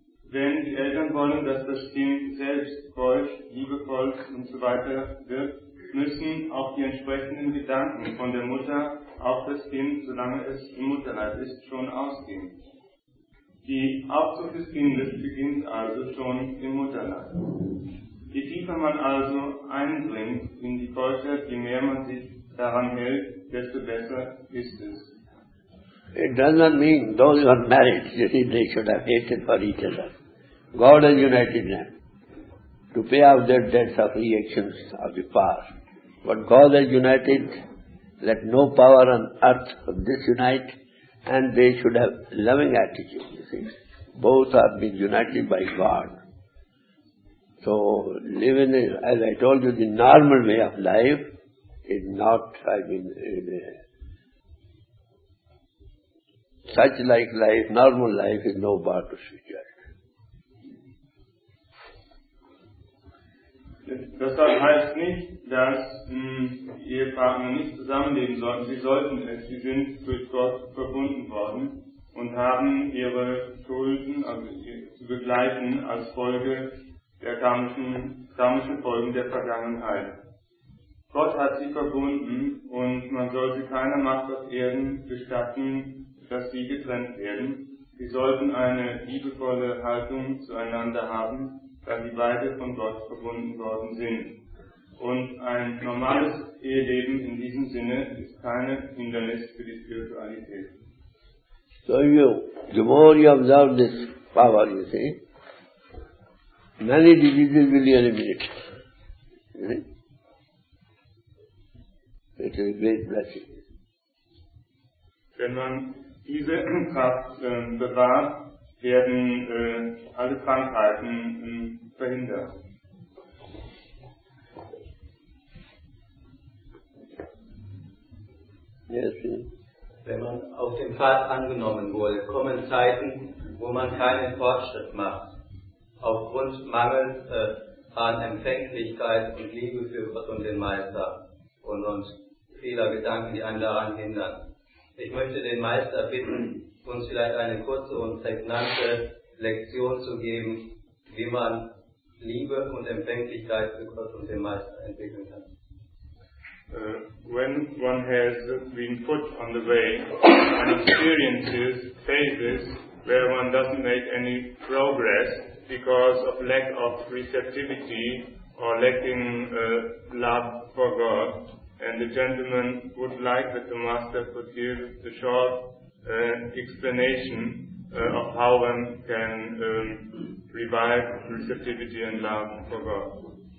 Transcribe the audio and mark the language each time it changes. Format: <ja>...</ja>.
<de>Wenn die Eltern wollen, dass das Kind selbst keusch, liebevoll und so weiter wird, müssen auch die entsprechenden Gedanken von der Mutter auf das Kind, solange es im Mutterleib ist, schon ausgehen. Die Aufzucht des Kindes beginnt also schon im Mutterleib. Je tiefer man also eindringt in die Keuschheit, je mehr man sich daran hält, desto besser ist es.</de> <en>It does not mean those who are married, you see, they should have hated for each other. God has united them to pay off their debts of reactions of the past. But God has united, let no power on earth disunite, and they should have loving attitude, you see. Both have been united by God. So, living in, as I told you, the normal way of life is not, I mean, in a, such like life, normal life is no bar to spirituality.</en> <de>Deshalb heißt nicht, dass Ehepartner nicht zusammenleben sollten. Sie sollten es. Sie sind durch Gott verbunden worden und haben ihre Schulden also zu begleiten als Folge der karmischen Folgen der Vergangenheit. Gott hat sie verbunden und man sollte keiner Macht auf Erden gestatten, dass sie getrennt werden. Sie sollten eine liebevolle Haltung zueinander haben, da sie beide von Gott verbunden worden sind. Und ein normales Eheleben in diesem Sinne ist keine Hindernis für die Spiritualität.</de> <en>So you, the more you observe this power, you see, many diseases will be eliminated. It is a great blessing.</en> <de>Wenn man diese Kraft bewahrt, werden alle Krankheiten verhindert.</de> <en>Yes.</en> <de>Wenn man auf dem Pfad angenommen wurde, kommen Zeiten, wo man keinen Fortschritt macht. Aufgrund Mangel an Empfänglichkeit und Liebe für Gott und den Meister und vieler Gedanken, die einen daran hindern. Ich möchte den Meister bitten, uns vielleicht eine kurze und prägnante Lektion zu geben, wie man Liebe und Empfänglichkeit für Gott und den Meister entwickeln kann.</de> <en>When one has been put on the way and experiences phases where one doesn't make any progress because of lack of receptivity or lacking love for God, and the gentleman would like that the Master could give the short explanation of how one can revive receptivity and love for God.</en>